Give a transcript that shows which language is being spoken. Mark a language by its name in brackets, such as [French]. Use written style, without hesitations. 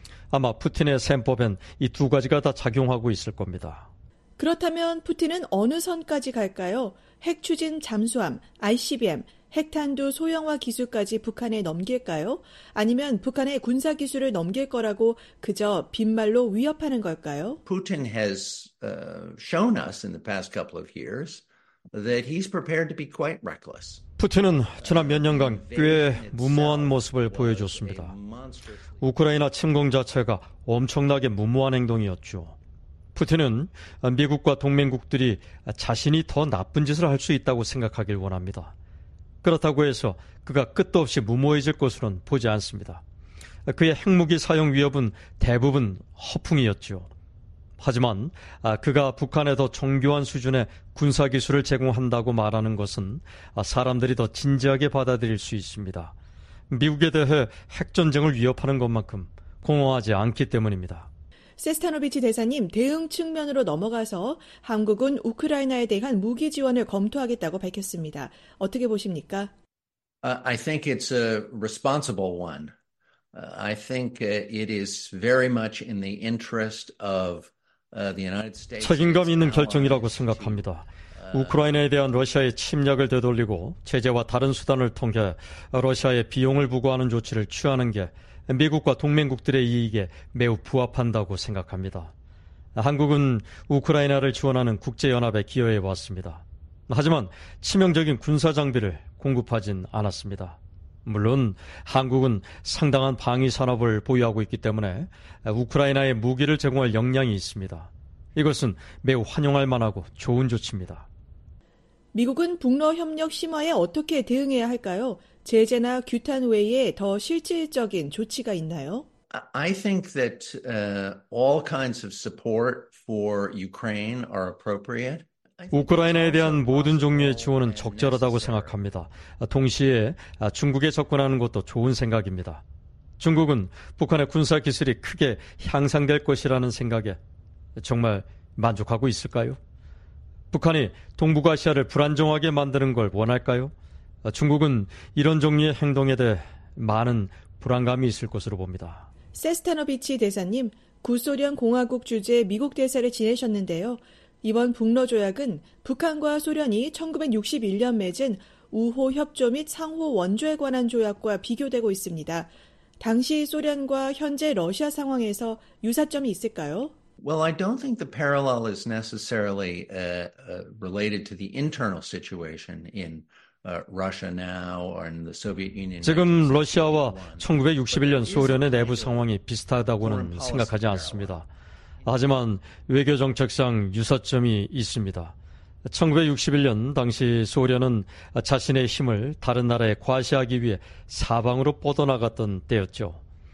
[Korean] 아마 푸틴의 셈법엔 이 두 가지가 다 작용하고 있을 겁니다. 그렇다면 푸틴은 어느 선까지 갈까요? 핵 추진 잠수함, ICBM, 핵탄두 소형화 기술까지 북한에 넘길까요? 아니면 북한의 군사 기술을 넘길 거라고 그저 빈말로 위협하는 걸까요? [English] Putin has shown us in the past couple of years that he's prepared to be quite reckless. [Korean] 푸틴은 지난 몇 년간 꽤 무모한 모습을 보여줬습니다. 우크라이나 침공 자체가 엄청나게 무모한 행동이었죠. 푸틴은 미국과 동맹국들이 자신이 더 나쁜 짓을 할 수 있다고 생각하길 원합니다. 그렇다고 해서 그가 끝도 없이 무모해질 것으로는 보지 않습니다. 그의 핵무기 사용 위협은 대부분 허풍이었죠. 하지만 그가 북한에 더 정교한 수준의 군사기술을 제공한다고 말하는 것은 사람들이 더 진지하게 받아들일 수 있습니다. 미국에 대해 핵전쟁을 위협하는 것만큼 공허하지 않기 때문입니다. 세스타노비치 대사님, 대응 측면으로 넘어가서 한국은 우크라이나에 대한 무기 지원을 검토하겠다고 밝혔습니다. 어떻게 보십니까? [English] I think it's a responsible one. I think it is very much in the interest of the United States. [Korean] 책임감 있는 결정이라고 생각합니다. 우크라이나에 대한 러시아의 침략을 되돌리고 제재와 다른 수단을 통해 러시아에 비용을 부과하는 조치를 취하는 게 미국과 동맹국들의 이익에 매우 부합한다고 생각합니다. 한국은 우크라이나를 지원하는 국제연합에 기여해 왔습니다. 하지만 치명적인 군사 장비를 공급하진 않았습니다. 물론 한국은 상당한 방위 산업을 보유하고 있기 때문에 우크라이나에 무기를 제공할 역량이 있습니다. 이것은 매우 환영할 만하고 좋은 조치입니다. 미국은 북러 협력 심화에 어떻게 대응해야 할까요? 제재나 규탄 외에 더 실질적인 조치가 있나요? [English] I think that all kinds of support for Ukraine are appropriate. [Korean] 우크라이나에 대한 모든 종류의 지원은 적절하다고 생각합니다. 동시에 중국에 접근하는 것도 좋은 생각입니다. 중국은 북한의 군사 기술이 크게 향상될 것이라는 생각에 정말 만족하고 있을까요? 북한이 동북아시아를 불안정하게 만드는 걸 원할까요? 중국은 이런 종류의 행동에 대해 많은 불안감이 있을 것으로 봅니다. 세스타노비치 대사님, 구소련 공화국 주재 미국 대사를 지내셨는데요. 이번 북러 조약은 북한과 소련이 1961년 맺은 우호 협조 및 상호 원조에 관한 조약과 비교되고 있습니다. 당시 소련과 현재 러시아 상황에서 유사점이 있을까요? [English] Well, I don't think the parallel is necessarily related to the internal situation in Russia now or in the Soviet Union. [Korean] 지금 러시아와 1961년 소련의 내부 상황이 비슷하다고는 생각하지 않습니다. 하지만 외교정책상 유사점이 있습니다. 1961년 당시 소련은 자신의 힘을 다른 나라에 과시하기 위해 사방으로 뻗어나갔던 때였죠.